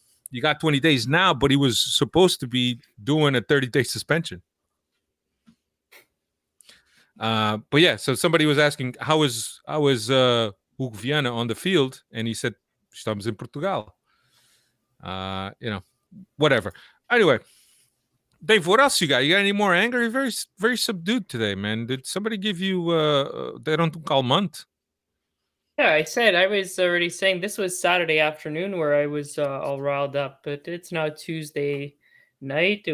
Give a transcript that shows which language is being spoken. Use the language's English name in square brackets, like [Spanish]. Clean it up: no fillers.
[English] You got 20 days now, but he was supposed to be doing a 30-day suspension. But yeah, so somebody was asking, how is Hugo Viana on the field? And he said, [Portuguese] estamos em Portugal. [English] You know, whatever. Anyway, Dave, what else you got? You got any more anger? You're very, very subdued today, man. Did somebody give you calmante? Yeah, I said I was already saying this was Saturday afternoon where I was all riled up, but it's now Tuesday night.